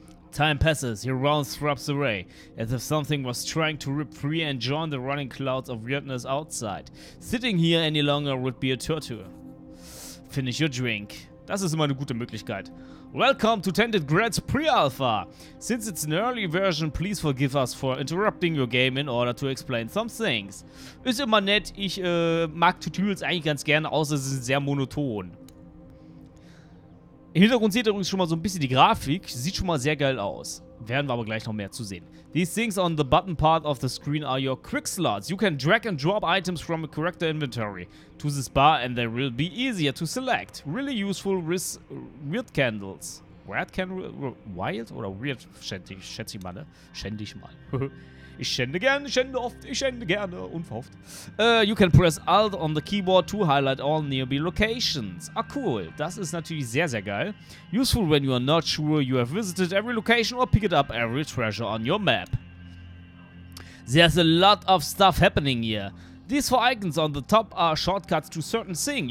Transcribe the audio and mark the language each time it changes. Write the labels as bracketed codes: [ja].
[en] Time passes, he rounds throbs away, as if something was trying to rip free and join the running clouds of weirdness outside. Sitting here any longer would be a torture. Finish your drink. [de] Das ist immer eine gute Möglichkeit. [en] Welcome to Tented Grad's pre-alpha. Since it's an early version, please forgive us for interrupting your game in order to explain some things. [de] Ist immer nett, ich mag Tutorials eigentlich ganz gerne, außer sie sind sehr monoton. Im Hintergrund seht ihr übrigens schon mal so ein bisschen die Grafik, sieht schon mal sehr geil aus. Werden wir aber gleich noch mehr zu sehen. [en] These things on the button part of the screen are your quick slots. You can drag and drop items from a character inventory to this bar and they will be easier to select. Really useful with weird candles. Weird candle? [de] Wild oder weird? Schätze ich mal, ne? Schände ich mal. Ich schände gerne, schände oft, ich schände gerne, unverhofft. [en] You can press Alt on the keyboard to highlight all nearby locations. Ah, cool. [de] Das ist natürlich sehr, sehr geil. [en] Useful when you are not sure you have visited every location or picked up every treasure on your map. There's a lot of stuff happening here. These four icons on the top are shortcuts to certain things.